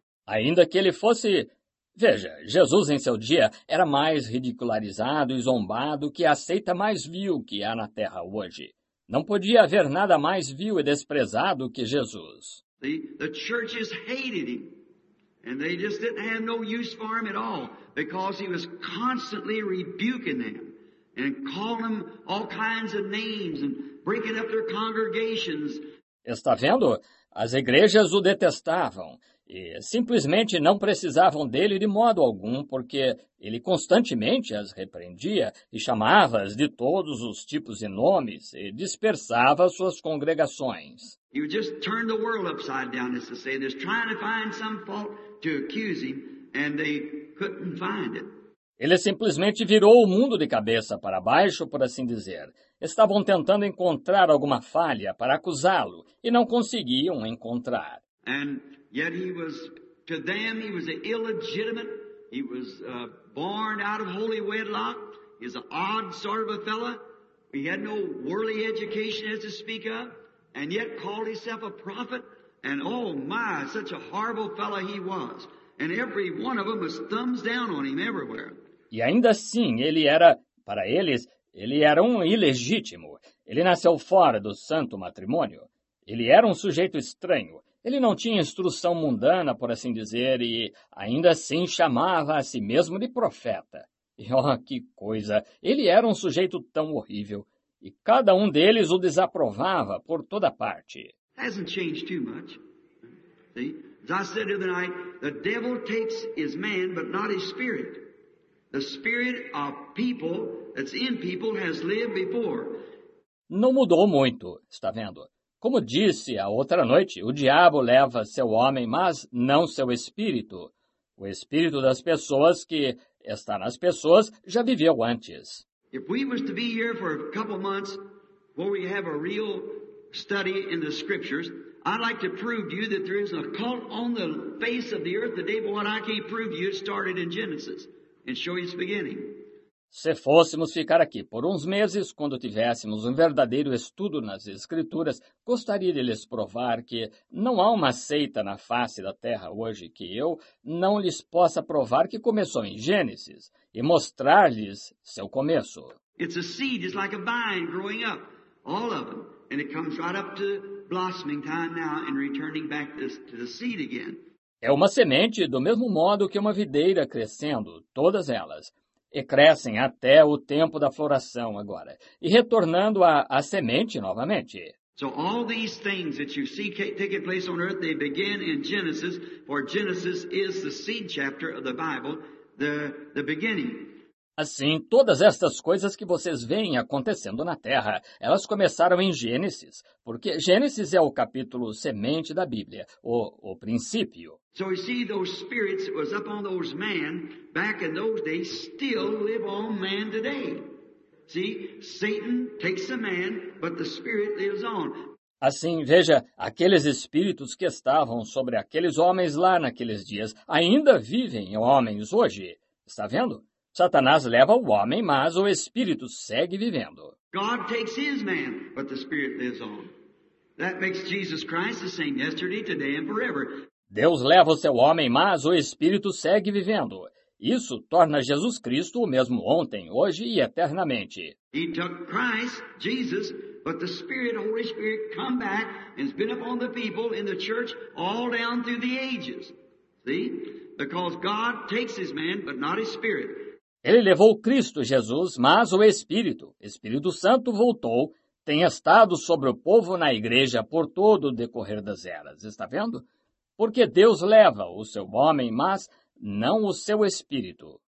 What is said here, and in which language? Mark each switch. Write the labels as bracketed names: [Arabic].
[Portuguese] Ainda que ele fosse, veja, Jesus em seu dia era mais ridicularizado e zombado que a seita mais vil que há na terra hoje. Não podia haver nada mais vil e desprezado que Jesus. [English] The churches hated him. And they just didn't have no use for him at all, because he was constantly rebuking them and calling them all kinds of names and breaking up their congregations. [Portuguese] Está vendo? As igrejas o detestavam e simplesmente não precisavam dele de modo algum, porque ele constantemente as repreendia e chamava-as de todos os tipos de nomes e dispersava suas congregações. [English] He would just turn the world upside down, as to say, just trying to find some fault to accuse him, and they couldn't find it. [Portuguese] Ele simplesmente virou o mundo de cabeça para baixo, por assim dizer. Estavam tentando encontrar alguma falha para acusá-lo, e não conseguiam encontrar. [English] And yet he was, to them, he was illegitimate. He was born out of holy wedlock. He's an odd sort of a fella. He had no worldly education, as to speak of. And yet called himself a prophet, and oh my, such a horrible fellow he was. And every one of them was thumbs down on him everywhere. [Portuguese] E ainda assim, ele era, para eles, ele era um ilegítimo. Ele nasceu fora do santo matrimônio. Ele era um sujeito estranho. Ele não tinha instrução mundana, por assim dizer, e ainda assim chamava a si mesmo de profeta. E oh, que coisa! Ele era um sujeito tão horrível. E cada um deles o desaprovava por toda parte. [English] Hasn't changed too much. See? As I said the other night, the devil takes his man, but not his spirit. The spirit of people that's in people has lived before. [Portuguese] Não mudou muito, está vendo? Como disse a outra noite, o diabo leva seu homem, mas não seu espírito. O espírito das pessoas que está nas pessoas já viveu antes. [English] If we was to be here for a couple months where we have a real study in the scriptures, I'd like to prove to you that there is a cult on the face of the earth today, but what I can't prove to you, it started in Genesis and show its beginning. [Portuguese] Se fôssemos ficar aqui por uns meses, quando tivéssemos um verdadeiro estudo nas escrituras, gostaria de lhes provar que não há uma seita na face da terra hoje que eu não lhes possa provar que começou em Gênesis e mostrar-lhes seu começo. [English] It's a seed, it's like a vine growing up, all of them, and it comes right up to blossoming time now and returning back to the seed again. [Portuguese] É uma semente do mesmo modo que uma videira crescendo, todas elas, e crescem até o tempo da floração agora, e retornando à semente novamente. [English] So all these things that you see taking place on earth, they begin in Genesis, for Genesis is the seed chapter of the Bible, the beginning. [Portuguese] Assim, todas estas coisas que vocês veem acontecendo na Terra, elas começaram em Gênesis, porque Gênesis é o capítulo semente da Bíblia, o princípio. [English] So you see, those spirits that was up on those men back in those days still live on man today. See, Satan takes the man, but the spirit lives on. [Portuguese] Assim, veja, aqueles espíritos que estavam sobre aqueles homens lá naqueles dias ainda vivem homens hoje. Está vendo? Satanás leva o homem, mas o espírito segue vivendo. [English] God takes his man, but the spirit lives on. That makes Jesus Christ the same yesterday, today and forever. [Portuguese] Deus leva o seu homem, mas o espírito segue vivendo. Isso torna Jesus Cristo o mesmo ontem, hoje e eternamente. [English] He took Christ, Jesus, but the spirit, Holy Spirit come back and has been upon the people in the church all down through the ages. See? Because God takes his man, but not his spirit. [Portuguese] Ele levou Cristo Jesus, mas o Espírito Santo voltou, tem estado sobre o povo na igreja por todo o decorrer das eras. Está vendo? Porque Deus leva o seu homem, mas não o seu Espírito.